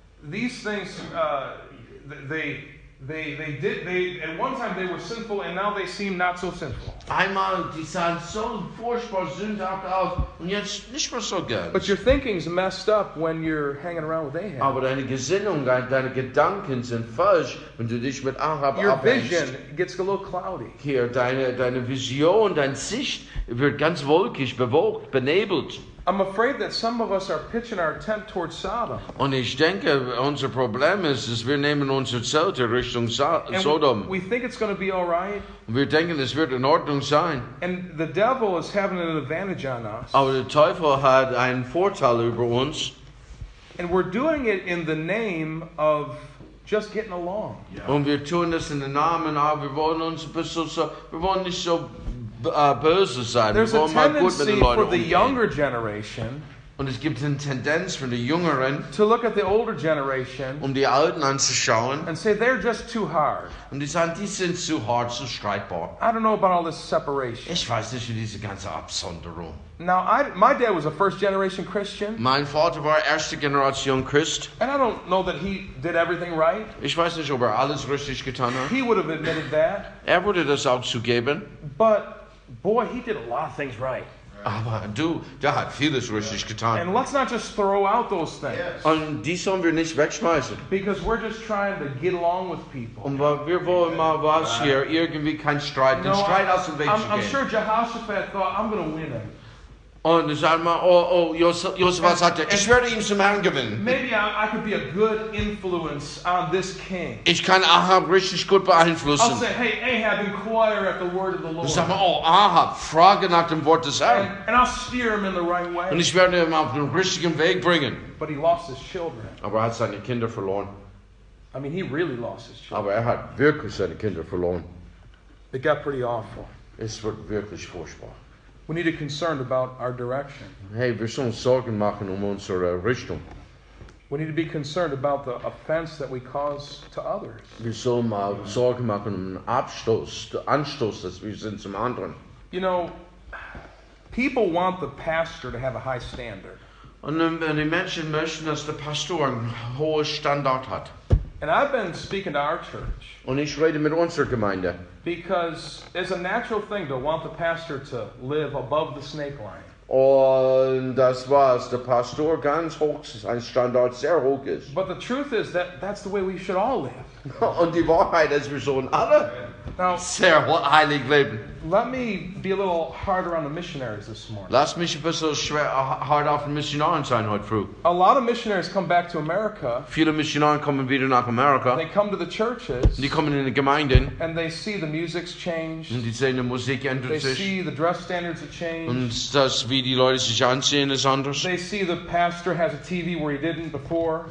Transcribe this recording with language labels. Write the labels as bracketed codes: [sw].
[en] These things, at one time they were sinful and now they seem not so sinful. [de] Einmal die sahen so furchtbar sündhaft aus und jetzt nicht mehr so gut. [en] But your thinking's messed up when you're hanging around with Ahab. [de] Aber deine Gesinnung, deine Gedanken sind falsch, wenn du dich mit Ahab abhängst. [en] Your vision gets a little cloudy. [de] Hier, deine Vision, dein Sicht wird ganz wolkig, bewogt, benebelt. [en] I'm afraid that some of us are pitching our tent towards Sodom. [de] Und ich denke, unser Problem ist, dass wir nehmen unser Zelt Richtung Sodom. [en] We think it's going to be all right. [de] Und wir denken, es wird in Ordnung sein. [en] And the devil is having an advantage on us. [de] Aber der Teufel hat einen Vorteil über uns. [en] And we're doing it in the name of just getting along. Yeah. [de] Und wir tun das in den Namen auch. Wir wollen uns ein bisschen so, wir wollen nicht so böse sein. [en] There's [de] wir wollen mal gut mit den Leuten umgehen. [en] Younger generation, [de] und es gibt eine Tendenz von den Jüngeren, [en] to look at the older generation, [de] um die Alten anzuschauen, [en] and say, they're just too hard. [de] Und die sagen, die sind zu hart, zu streitbar. [en] I don't know about all this separation. [de] Ich weiß nicht über diese ganze Absonderung. [en] Now, my dad was a first-generation Christian. [de] Mein Vater war erste Generation Christ. [en] And I don't know that he did everything right. [de] Ich weiß nicht, ob alles richtig getan hat. [en] He would have admitted that. [de] Würde das auch zugeben. [en] But, boy, he did a lot of things right. [de] Aber du, der hat vieles richtig getan. [en] And let's not just throw out those things. Yes. [de] Und die sollen wir nicht wegschmeißen. [en] Because we're just trying to get along with people. [de] Und wir wollen mal was hier, irgendwie kein Streit, den Streit aus dem Weg zu gehen. [en] I'm sure Jehoshaphat thought, I'm going to win it. [de] Und sag mal, oh, Josef sagte, ich werde ihm zum Herrn gewinnen. [en] Maybe I could be a good influence on this king. [de] Ich kann Ahab richtig gut beeinflussen. [en] I'll say, hey, Ahab, inquire at the word of the Lord. [de] Und sag mal, oh, Ahab, frage nach dem Wort des Herrn. [en] And I'll steer him in the right way. [de] Und ich werde ihn auf den richtigen Weg bringen. [en] But he lost his children. [de] Aber er hat seine Kinder verloren. [en] I mean, he really lost his children. [de] Aber er hat wirklich seine Kinder verloren. [en] It got pretty awful. [de] Es wird wirklich furchtbar. [en] We need to be concerned about our direction. [de] Hey, wir sollen Sorgen machen unsere Richtung. [en] We need to be concerned about the offense that we cause to others. [de] Wir sollen mal Sorgen machen Anstoß, dass wir sind zum anderen. [en] You know, people want the pastor to have a high standard. [de] Und die Menschen möchten, dass der Pastor einen hohen Standard hat. [en] And I've been speaking to our church. [de] Und ich rede mit unserer Gemeinde. [en] Because it's a natural thing to want the pastor to live above the snake line. [de] Und das was der Pastor ganz hoch, sein Standard sehr hoch ist. [en] But the truth is that that's the way we should all live. [de] Und die Wahrheit ist, wir sollen alle [en] now, [de] sehr heilig leben. [en] Let me be a little harder on the missionaries this morning. [de] Lass mich ein bisschen schwer, hard auf den Missionaren sein heute früh. [en] A lot of missionaries come back to America. [de] Viele Missionaren kommen wieder nach Amerika. [en] They come to the churches. [de] Die kommen in die Gemeinden. [en] And they see the music's changed. [de] Und die sehen die Musik ändert [en] they [de] sich. [en] They see the dress standards have changed. [de] Und das, wie die Leute sich anziehen, ist anders. [en] They see the pastor has a TV where he didn't before.